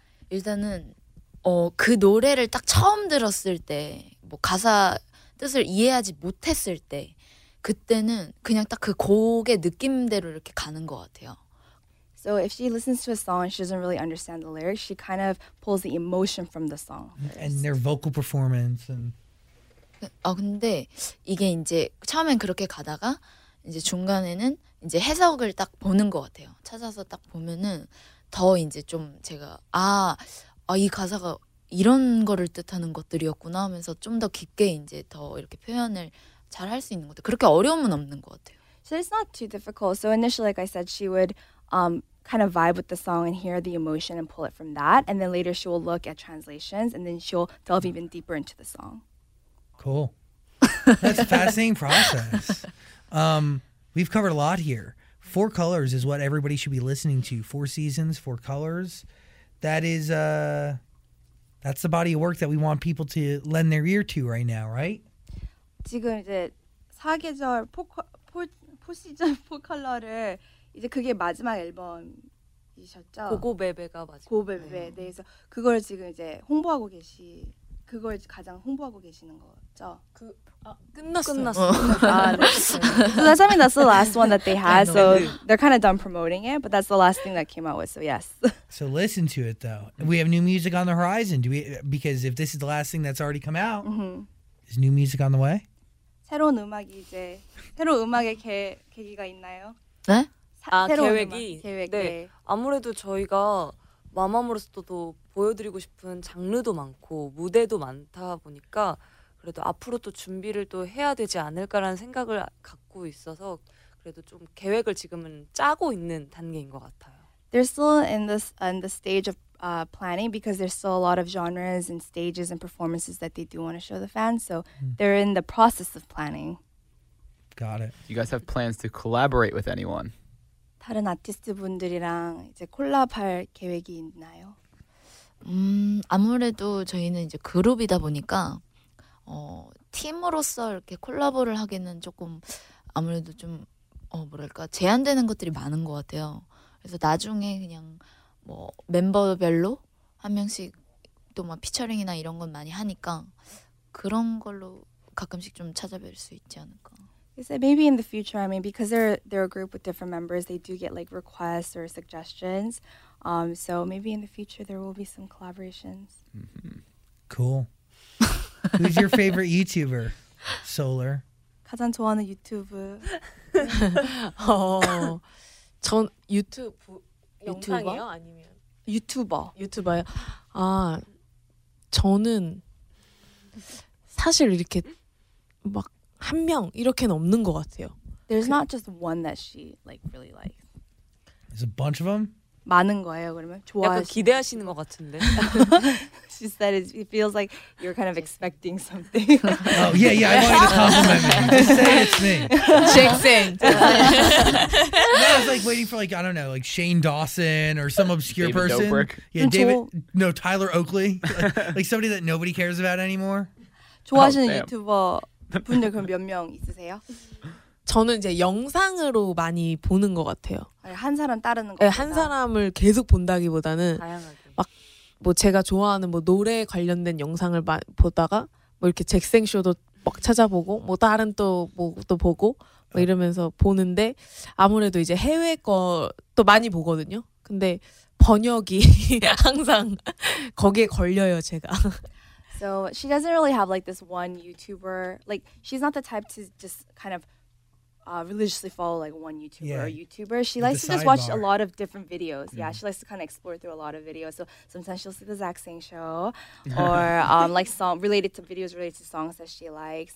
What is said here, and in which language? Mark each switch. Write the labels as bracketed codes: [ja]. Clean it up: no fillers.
[ko] 일단은 그 노래를 딱 처음 들었을 때 뭐 가사 뜻을 이해하지 못했을 때 그때는 그냥 딱 그 곡의 느낌대로 이렇게 가는 것 같아요. [en] So if she listens to a song, she doesn't really understand the lyrics. She kind of pulls the emotion from the song first. And their vocal performance. And [ko] 근데 이게 이제 처음엔 그렇게 가다가 이제 중간에는 이제 해석을 딱 보는 것 같아요. 찾아서 딱 보면은 더 이제 좀 제가 이 가사가 이런 거를 뜻하는 것들이었구나 하면서 좀 더 깊게 이제 더 이렇게 표현을 잘 할 수 있는 것 같아요. 그렇게 어려움은 없는 것 같아요. [en] So it's not too difficult. So initially, like I said, she would kind of vibe with the song and hear the emotion and pull it from that. And then later she will look at translations and then she'll delve even deeper into the song. Cool. That's a fascinating process. We've covered a lot here. Four Colors is what everybody should be listening to. Four Seasons, Four Colors. That is that's the body of work that we want people to lend their ear to right now, right? [ko] 지금 이제 사계절 포시즌 포컬러를 이제 그게 마지막 앨범이셨죠? 고고베베가 마지막. 고고베베. 네. 그래서 그걸 지금 이제 홍보하고 그걸 가장 홍보하고 계시는 거죠? 끝났어. 네. [en] So that's, I mean, that's the last one that they had. So they're kind of done promoting it, but that's the last thing that came out with. So yes. So listen to it though. We have new music on the horizon. Do we? Because if this is the last thing that's already come out, is new music on the way? [ko] 새로운 음악이 이제 새로운 음악의 계기가 있나요? 네? 계획이 아무래도 저희가 마마무로서도 보여드리고 싶은 장르도 많고 무대도 많다 보니까 그래도 앞으로 또 준비를 또 해야 되지 않을까라는 생각을 갖고 있어서 그래도 좀 계획을 지금은 짜고 있는 단계인 것 같아요. [en] They're still in the stage of planning because there's still a lot of genres and stages and performances that they do want to show the fans. So they're in the process of planning. Got it. You guys have plans to collaborate with anyone? [ko] 다른 아티스트분들이랑 이제 콜라보할 계획이 있나요? 아무래도 저희는 이제 그룹이다 보니까 팀으로서 이렇게 콜라보를 하기는 조금 아무래도 좀 뭐랄까 제한되는 것들이 많은 것 같아요. 그래서 나중에 그냥 뭐 멤버별로 한 명씩 또 막 피처링이나 이런 건 많이 하니까 그런 걸로 가끔씩 좀 찾아뵐 수 있지 않을까. [en] He said maybe in the future, I mean, because they're a group with different members, they do get like requests or suggestions. So maybe in the future there will be some collaborations. Mm-hmm. Cool. Who's your favorite YouTuber, Solar? [ko] 가장 좋아하는 유튜브. 전 유튜브 영상이요? 아니면 유튜버. 유튜버요? 아, 저는 사실 이렇게 막 한 명 이렇게는 없는 것 같아요. [en] There's not just one that she like really likes. There's a bunch of them? [ko] 많은 거예요, 그러면? 좋아하시는 약간 기대하시는 것 같은데. [en] She said it feels like you're kind of expecting something. Oh, yeah, yeah, I want you to compliment me. Just say it's me. Jake Sain. No, I was like waiting for like, I don't know, like Shane Dawson or some obscure David Dobrik. Yeah, David, no, Tyler Oakley. Like somebody that nobody cares about anymore. [ko] 좋아하시는 유튜버 분들 그럼 몇 명 있으세요? 저는 이제 영상으로 많이 보는 것 같아요. 한 사람 따르는 것 같아요. 네, 한 사람을 계속 본다기보다는 다양하게. 막 뭐 제가 좋아하는 뭐 노래 관련된 영상을 보다가 뭐 이렇게 잭생쇼도 막 찾아보고 뭐 다른 또 뭐 또 보고 뭐 이러면서 보는데 아무래도 이제 해외 거 또 많이 보거든요. 근데 번역이 항상 거기에 걸려요, 제가. [en] So she doesn't really have like this one YouTuber. Like she's not the type to just kind of religiously follow like one YouTuber or YouTuber. She likes to just watch a lot of different videos. Yeah, she likes to kind of explore through a lot of videos. So sometimes she'll see the Zach Sang show or like song related to videos related to songs that she likes.